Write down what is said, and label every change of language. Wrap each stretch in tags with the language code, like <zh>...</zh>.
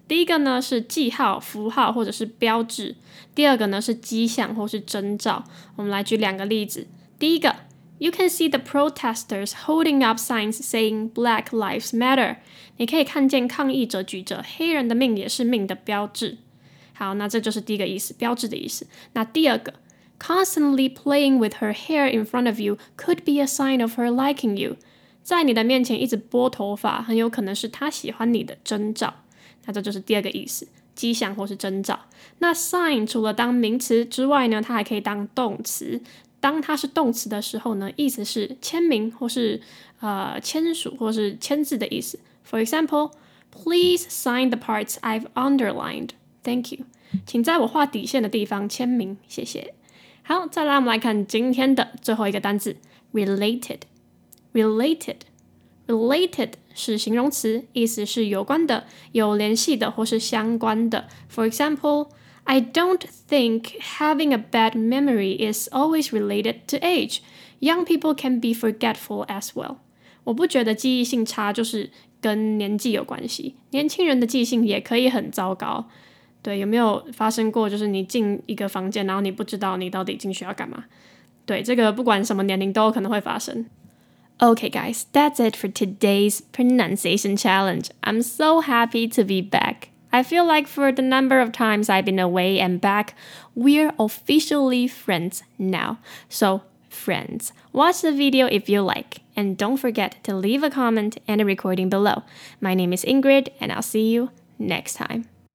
<zh>第一个呢是记号、符号或者是标志，第二个呢是迹象或是征兆。我们来举两个例子。第一个，</zh> <en>You can see the protesters holding up signs saying Black Lives Matter.</en> <zh>你可以看见抗议者举着黑人的命也是命的标志。好，那这就是第一个意思，标志的意思。那第二个，</zh> <en>Constantly playing with her hair in front of you could be a sign of her liking you.</en> <zh>在你的面前一直拨头发，很有可能是他喜欢你的征兆。那这就是第二个意思，迹象或是征兆。那 sign 除了当名词之外呢，它还可以当动词。当它是动词的时候呢，意思是签名或是签署或是签字的意思。</zh> <en>For example, please sign the parts I've underlined. Thank you.</en> <zh>请在我画底线的地方签名，谢谢。好，再来我们来看今天的最后一个单字 related。 Related 是形容词，意思是有关的、有联系的或是相关的。</zh> <en>For example, I don't think having a bad memory is always related to age. Young people can be forgetful as well.</en> <zh>我不觉得记忆性差就是跟年纪有关系，年轻人的记忆性也可以很糟糕。对，有没有发生过就是你进一个房间，然后你不知道你到底进去要干嘛？对，这个不管什么年龄都有可能会发生。</zh> <en>Okay guys, that's it for today's pronunciation challenge. I'm so happy to be back. I feel like for the number of times I've been away and back, we're officially friends now. So, friends, watch the video if you like. And don't forget to leave a comment and a recording below. My name is Ingrid, and I'll see you next time.</en>